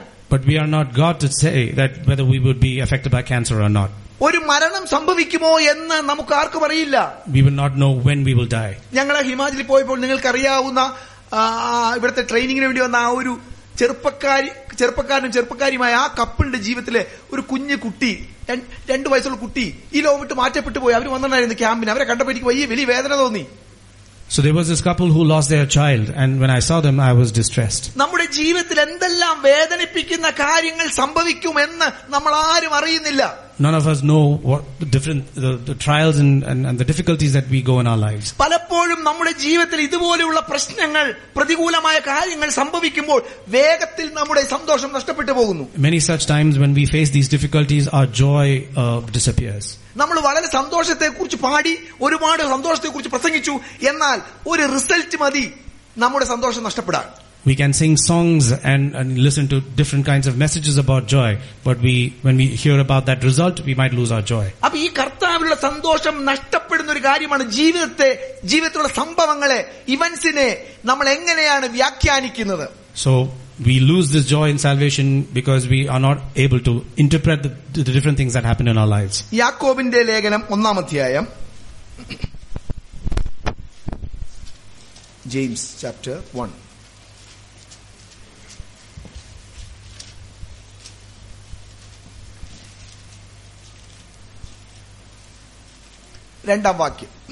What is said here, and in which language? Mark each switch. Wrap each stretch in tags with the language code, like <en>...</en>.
<en>But we are not God to say that whether we would be affected by cancer or not. We will not know when we will die.</en> <ml>ഞങ്ങളെ ഹിമാചലിൽ പോയപ്പോൾ നിങ്ങൾക്ക് അറിയാവുന്ന ഇവിടുത്തെ ട്രെയിനിങ്ങിന് വേണ്ടി വന്ന ആ ഒരു ചെറുപ്പക്കാരിയുമായ ആ കപ്പിളിന്റെ ജീവിതത്തിലെ ഒരു കുഞ്ഞു കുട്ടി രണ്ടു വയസ്സുള്ള കുട്ടി ഈ ലോകത്ത് മാറ്റപ്പെട്ടു പോയി അവർ വന്നിട്ടുണ്ടായിരുന്നു ക്യാമ്പിന് അവരെ കണ്ടപ്പോഴേക്ക് വലിയ വലിയ വേദന തോന്നി.</ml> <en>So there was this couple who lost their child, and when I saw them, I was distressed.</en> <ml>നമ്മുടെ ജീവിതത്തിൽ എന്തെല്ലാം വേദനിപ്പിക്കുന്ന കാര്യങ്ങൾ സംഭവിക്കുമെന്ന് നമ്മൾ ആരും അറിയുന്നില്ല.</ml> <en>None of us know what the different the trials and the difficulties that we go in our lives.</en> <ml>പലപ്പോഴും നമ്മുടെ ജീവിതത്തിൽ ഇതുപോലെയുള്ള പ്രശ്നങ്ങൾ പ്രതികൂലമായ കാര്യങ്ങൾ സംഭവിക്കുമ്പോൾ വേഗത്തിൽ നമ്മുടെ സന്തോഷം നഷ്ടപ്പെട്ടു പോകുന്നു.</ml> <en>Many such times when we face these difficulties, our joy disappears.</en> <ml>നമ്മൾ വളരെ സന്തോഷത്തെക്കുറിച്ച് പാടി ഒരുപാട് സന്തോഷത്തെക്കുറിച്ച് പ്രസംഗിച്ചു എന്നാൽ ഒരു റിസൾട്ട് മതി നമ്മുടെ സന്തോഷം നഷ്ടപ്പെടാൻ.</ml> <en>We can sing songs and listen to different kinds of messages about joy, but when we hear about that result, we might lose our joy.</en> <ml>അപ്പോൾ ഈ കർത്താവിലുള്ള സന്തോഷം നഷ്ടപ്പെടുന്ന ഒരു കാര്യമാണ് ജീവിതത്തിലുള്ള സംഭവങ്ങളെ ഇവൻസിനെ നമ്മൾ എങ്ങനെയാണ് വ്യാഖ്യാനിക്കുന്നത്.</ml> <en>So we lose this joy in salvation because we are not able to interpret the different things that happen in our lives.</en> <ml>യാക്കോബിന്റെ ലേഖനം ഒന്നാം അധ്യായം</ml> <en>James chapter 1</en> <ml>രണ്ടാം വാക്യം.</ml>